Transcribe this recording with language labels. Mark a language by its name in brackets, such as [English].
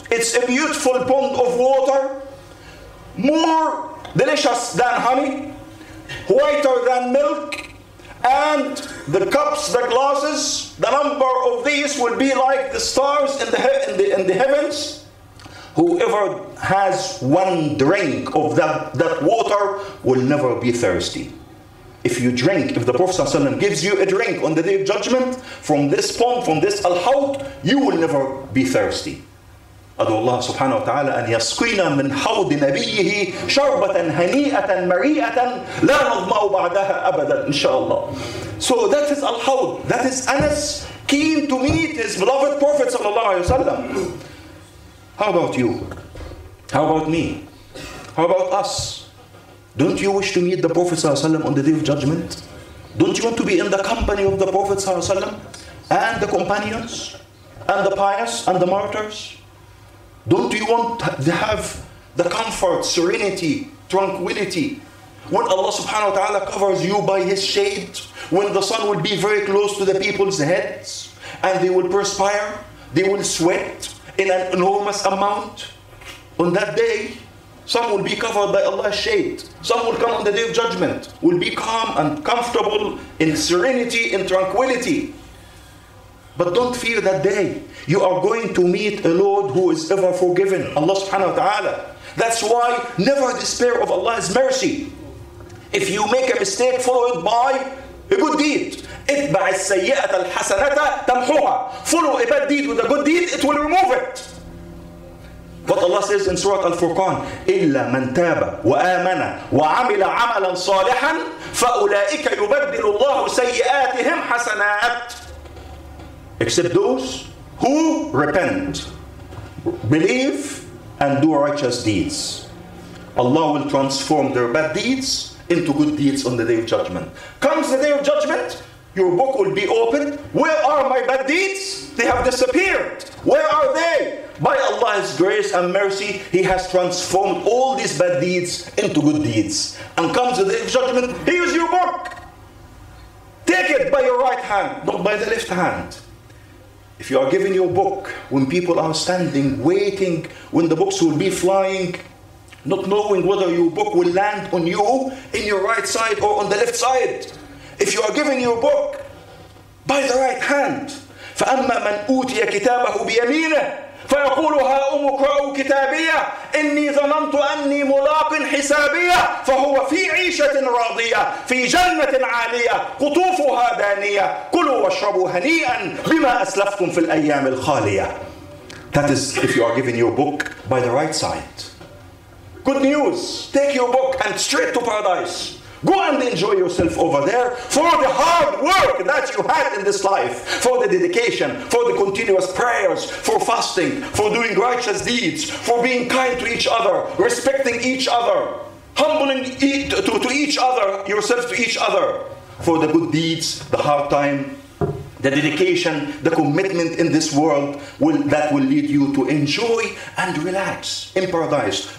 [English] It's a beautiful pond of water, more delicious than honey, whiter than milk, and the cups, the glasses, the number of these will be like the stars in the heavens. Whoever has one drink of that water will never be thirsty. if you drink, if the Prophet ﷺ gives you a drink on the Day of Judgment, from this pond, from this al-hawt, you will never be thirsty. [Arabic] أدعو الله سبحانه وتعالى أن يسقينا من حوض نبيه شربة هنيئة مريئة لا نظمأ بعدها أبدا إن شاء الله. [English] So that is al-hawt. That is Anas keen to meet his beloved Prophet [Arabic] صلى الله عليه وسلم. [English] How about you? How about me? How about us? Don't you wish to meet the Prophet [Arabic] صلى الله عليه وسلم [English] on the Day of Judgment? Don't you want to be in the company of the Prophet صلى الله عليه وسلم and the companions and the pious and the martyrs? Don't you want to have the comfort, serenity, tranquility when Allah subhanahu wa ta'ala covers you by His shade, when the sun will be very close to the people's heads and they will perspire, they will sweat in an enormous amount? On that day, some will be covered by Allah's shade. Some will come on the Day of Judgment, will be calm and comfortable in serenity, in tranquility. But don't fear that day. You are going to meet a Lord who is ever forgiven, Allah subhanahu wa ta'ala. That's why never despair of Allah's mercy. If you make a mistake, follow it by a good deed. [Arabic] اتبع السيئة الحسنة تمحوها. [English] Follow a bad deed with a good deed, it will remove it. But Allah says in Surah Al-Furqan, [Arabic] إِلَّا مَنْ تَابَ وَآمَنَ وَعَمِلَ عَمَلًا صَالِحًا فَأُولَٰئِكَ يُبَدِّلُ اللَّهُ سَيِّئَاتِهِمْ حَسَنَاتٍ. [English] Except those who repent, believe, and do righteous deeds. Allah will transform their bad deeds into good deeds on the Day of Judgment. Comes the Day of Judgment, your book will be opened. Where are my bad deeds? They have disappeared. Where are they? By Allah's grace and mercy, He has transformed all these bad deeds into good deeds. And comes the Day of Judgment, here's your book. Take it by your right hand, not by the left hand. If you are given your book, when people are standing, waiting, when the books will be flying, not knowing whether your book will land on you in your right side or on the left side. If you are given your book by the right hand, [Arabic] فَأَمَّا مَنْ أُوْتِيَ كِتَابَهُ بِيَمِينَهُ فَيَقُولُ هَا أُمُكْرَأُ كِتَابِيَهُ إِنِّي ظَنَنْتُ أَنِّي مُلَاقٍ حِسَابِيَهُ فَهُوَ فِي عِيشَةٍ رَاضِيَةٍ فِي جَنَّةٍ عَالِيَةٍ قُطُوفُهَا دَانِيَةٍ كُلُوا وَاشْرَبُوا هَنِيئًا بِمَا أَسْلَفْتُمْ فِي الْأَيَّامِ الْخَالِيَةِ. [English] That is if you are given your book by the right side. Good news. Take your book and straight to paradise. Go and enjoy yourself over there for the hard work that you had in this life, for the dedication, for the continuous prayers, for fasting, for doing righteous deeds, for being kind to each other, respecting each other, humbling to each other, yourself to each other, for the good deeds, the hard time, the dedication, the commitment in this world that will lead you to enjoy and relax in paradise.